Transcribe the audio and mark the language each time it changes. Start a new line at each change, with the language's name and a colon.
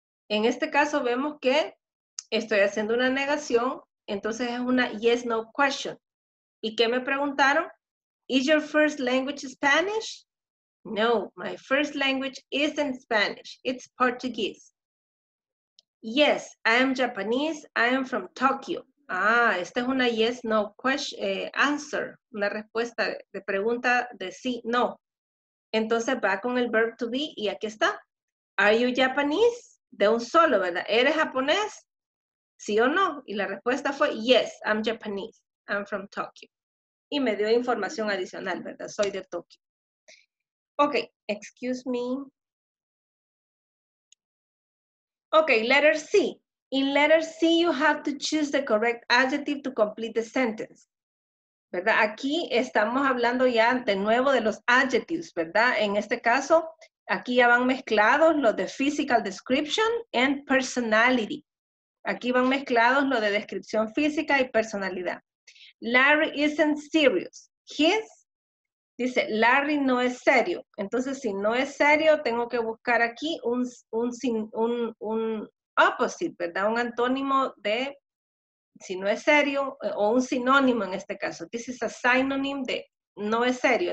Spanish: En este caso vemos que estoy haciendo una negación, entonces es una
English: yes, no question.
Spanish: ¿Y qué me preguntaron?
English: Is your first language Spanish? No, my first language isn't Spanish, it's Portuguese. Yes, I am Japanese, I am from Tokyo.
Spanish: Ah, esta es una
English: yes, no question, answer,
Spanish: una respuesta de pregunta de sí, no. Entonces va con el verb to be y aquí está.
English: Are you Japanese?
Spanish: De un solo, ¿verdad? ¿Eres japonés? ¿Sí o no? Y la respuesta fue,
English: yes, I'm Japanese. I'm from Tokyo.
Spanish: Y me dio información adicional, ¿verdad? Soy de Tokio.
English: Ok, excuse me. Ok, letter C. In letter C, you have to choose the correct adjective to complete the sentence.
Spanish: ¿Verdad? Aquí estamos hablando ya de nuevo de los adjectives, ¿verdad? En este caso, aquí ya van mezclados los de
English: physical description and personality.
Spanish: Aquí van mezclados los de descripción física y personalidad.
English: Larry isn't serious. His,
Spanish: dice, Larry no es serio. Entonces, si no es serio, tengo que buscar aquí un opposite, ¿verdad? Un antónimo de, si no es serio, o un sinónimo en este caso.
English: This is a synonym
Spanish: de no es serio.